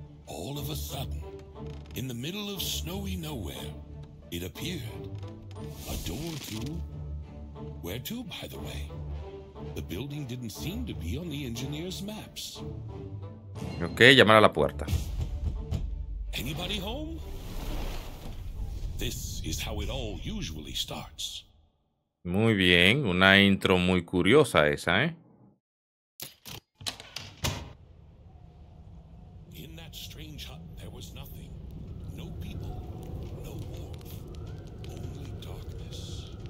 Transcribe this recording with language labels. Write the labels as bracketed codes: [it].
[en] All of a sudden, in the middle of snowy nowhere, it appeared. A door through. Where to, by the way? The building didn't seem to be on the engineer's maps. [es] Okay, llamar a la puerta. [en] Anybody home? This is how it all usually starts. [es] Muy bien, una intro muy curiosa esa, ¿eh? [en] In that strange hut, there was nothing. No people, no warmth, only darkness.